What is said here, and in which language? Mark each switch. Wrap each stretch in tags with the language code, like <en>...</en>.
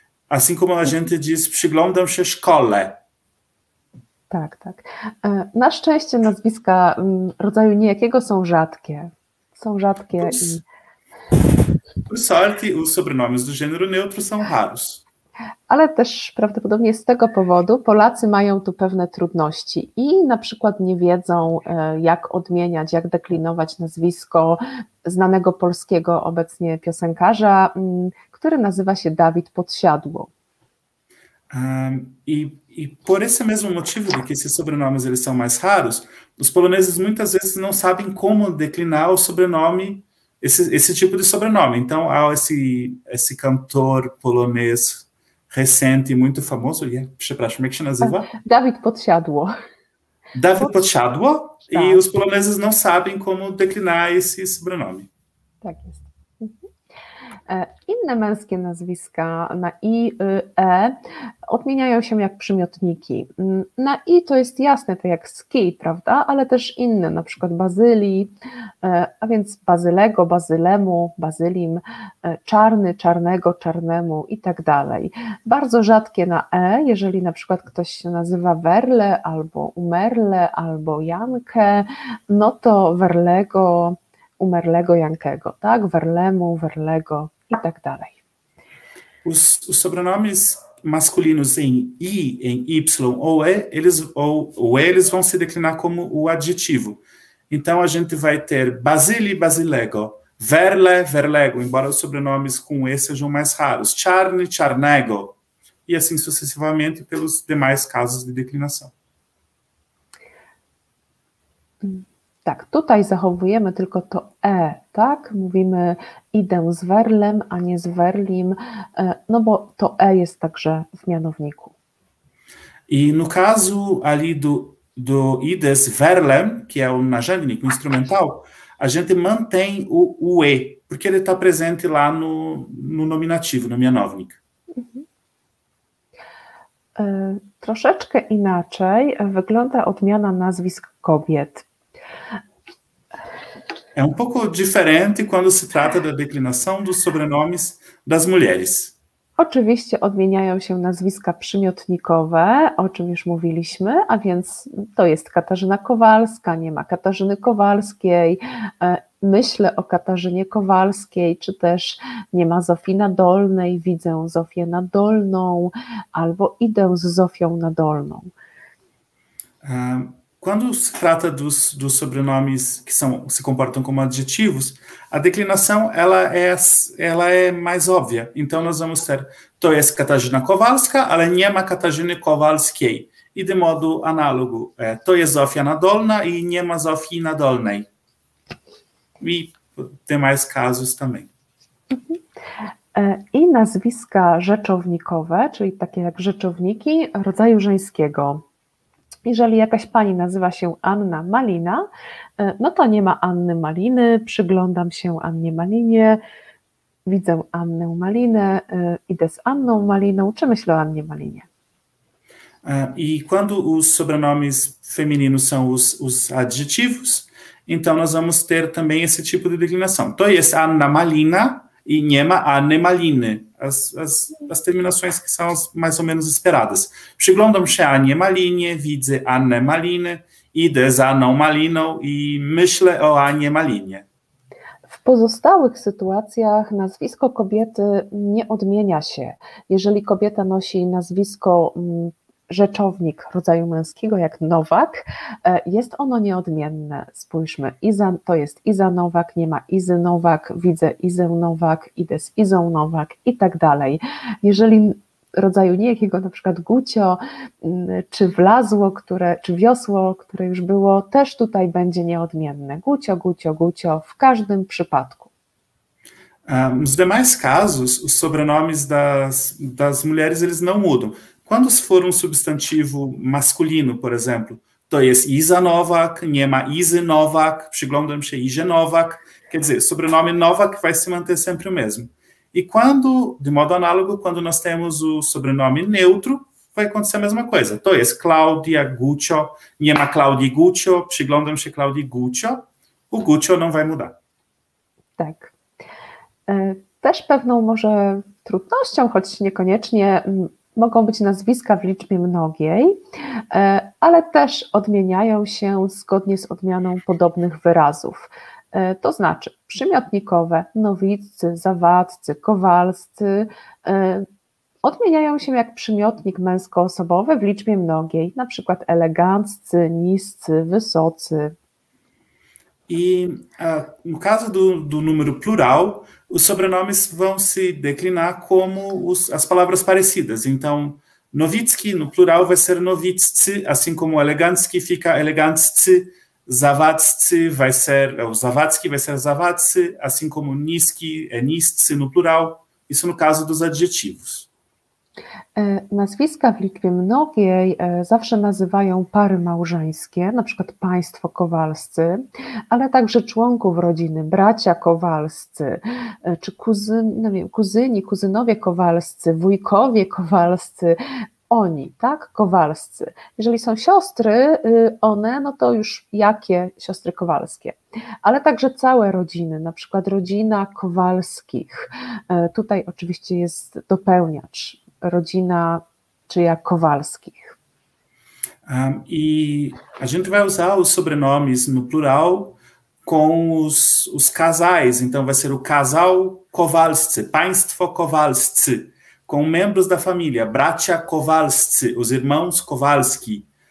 <pt>Assim como a gente diz,</pt> <pl>przyglądam się szkole. Tak, tak. Na szczęście nazwiska rodzaju niejakiego są rzadkie. Są rzadkie.</pl> <pt>Por sorte, os sobrenomes do gênero neutro são raros.</pt> <pl>Ale też prawdopodobnie z tego powodu Polacy mają tu pewne trudności i na przykład nie wiedzą, jak odmieniać, jak deklinować nazwisko znanego polskiego obecnie piosenkarza, który nazywa się Dawid Podsiadło.</pl> <pt>I por esse mesmo motivo, de que esses sobrenomes eles são mais raros, os poloneses muitas vezes não sabem como declinar o sobrenome. Esse tipo de sobrenome. Então, há esse cantor polonês recente, muito famoso, przepraszam, como é que se nazywa?</pt> <pl>Dawid Podsiadło. Dawid Podsiadło? Tak.</pl> <pt>I os poloneses não sabem como declinar esse sobrenome.</pt> <pl>Tak jest. Inne męskie nazwiska na i, y, e odmieniają się jak przymiotniki. Na i to jest jasne, to jak ski, prawda? Ale też inne, na przykład Bazylii, a więc Bazylego, Bazylemu, Bazylim, czarny, czarnego, czarnemu i tak dalej. Bardzo rzadkie na e, jeżeli na przykład ktoś się nazywa Werle albo Umerle albo Jankę, no to Werlego, Umerlego, Jankego, tak? Werlemu, Werlego i tak dalej.</pl> <pt>Os sobrenomes masculinos em I, em Y ou E, eles, ou eles vão se declinar como o adjetivo. Então a gente vai ter Basili, Basilego, Verle, Verlego, embora os sobrenomes com E sejam mais raros, Charne, Charnego, e assim sucessivamente pelos demais casos de declinação.</pt> <pl>Tak, tutaj zachowujemy tylko to e, tak? Mówimy idę z werlem, a nie z werlim, no bo to e jest także w mianowniku.</pl> <pt>I no caso ali do</pt> <pl>idę z werlem,</pl> <pt>que é o narzędnik, o instrumental, a gente mantém o e, porque ele está presente lá no nominativo, no mianownik.</pt> <pl>Troszeczkę inaczej wygląda odmiana nazwisk kobiet.</pl> <pt>É um pouco diferente quando se trata da declinação dos sobrenomes das mulheres.</pt> <pl>Oczywiście odmieniają się nazwiska przymiotnikowe, o czym już mówiliśmy, a więc to jest Katarzyna Kowalska, nie ma Katarzyny Kowalskiej, myślę o Katarzynie Kowalskiej, czy też nie ma Zofii Nadolnej, widzę Zofię Nadolną, albo idę z Zofią Nadolną.</pl> <pt>Quando se trata dos sobrenomes que se comportam como adjetivos, a declinação ela é mais óbvia. Então nós vamos ter</pt> <pl>to jest Katarzyna Kowalska, ale nie ma Katarzyny Kowalskiej.</pl> <pt>E de modo análogo,</pt> <pl>to jest Zofia Nadolna e nie ma Zofii Nadolnej.</pl> <pt>E demais casos também.</pt> <pl>I nazwiska rzeczownikowe, czyli takie jak rzeczowniki rodzaju żeńskiego. Jeżeli jakaś pani nazywa się Anna Malina, no to nie ma Anny Maliny, przyglądam się Annie Malinie, widzę Annę Malinę, idę z Anną Maliną, czy myślę o Annie Malinie.</pl> <pt>I quando os sobrenomes femininos são os adjetivos, então nós vamos ter também esse tipo de declinação.</pt> <pl>To jest Anna Malina i nie ma Anny Maliny.</pl> <pt>As terminações que são as mais ou menos esperadas.</pt> <pl>Przyglądam się Annie Malinie, widzę Annę Malinę, idę z Anną Maliną i myślę o Annie Malinie. W pozostałych sytuacjach nazwisko kobiety nie odmienia się. Jeżeli kobieta nosi nazwisko rzeczownik rodzaju męskiego, jak Nowak, jest ono nieodmienne. Spójrzmy, Iza, to jest Iza Nowak, nie ma Izy Nowak, widzę Izę Nowak, idę z Izą Nowak i tak dalej. Jeżeli rodzaju niejakiego, na przykład Gucio, czy wlazło, które, czy wiosło, które już było, też tutaj będzie nieodmienne. Gucio, Gucio, Gucio, w każdym przypadku.</pl> <pt>Nos demais casos, os sobrenomes das mulheres, eles não mudam. Quando se for um substantivo masculino, por exemplo,</pt> <pl>to jest Iza Nowak, nie ma Izy Nowak, przyglądam się Izie Nowak,</pl> <pt>quer dizer, sobrenome Nowak vai se manter sempre o mesmo. E quando, de modo análogo, quando nós temos o sobrenome neutro, vai acontecer a mesma coisa.</pt> <pl>To jest Claudia Guccio, nie ma Claudia Guccio, przyglądam się Claudia Guccio,</pl> <pt>o Guccio não vai mudar.</pt> <pl>Tak. Też pewną może trudnością, choć niekoniecznie, mogą być nazwiska w liczbie mnogiej, ale też odmieniają się zgodnie z odmianą podobnych wyrazów. To znaczy przymiotnikowe, nowiccy, zawadcy, kowalscy odmieniają się jak przymiotnik męskoosobowy w liczbie mnogiej, na przykład eleganccy, niscy, wysocy.</pl> <pt>I no caso do numero plural, os sobrenomes vão se declinar como as palavras parecidas. Então, Nowicki, no plural, vai ser Nowiccy, assim como Elegancki fica Elegancy, Zawadcy vai ser, ou Zawadcki vai ser Zawadcy, assim como Niski é Niscy, no plural. Isso no caso dos adjetivos.</pt> <pl>Nazwiska w Litwie mnogiej zawsze nazywają pary małżeńskie, na przykład państwo kowalscy, ale także członków rodziny, bracia kowalscy, czy kuzyni, kuzynowie kowalscy, wujkowie kowalscy, oni, tak? Kowalscy. Jeżeli są siostry, one, no to już jakie siostry kowalskie? Ale także całe rodziny, na przykład rodzina Kowalskich. Tutaj oczywiście jest dopełniacz. Rodzina czyja Kowalskich.</pl> <pt>I a gente vai usar os sobrenomes no plural com os casais. Então vai ser o casal Kowalscy,</pt> <pl>państwo Kowalscy,</pl> <pt>com membros da família,</pt> <pl>bracia Kowalscy,</pl> <pt>os irmãos Kowalski.</pt>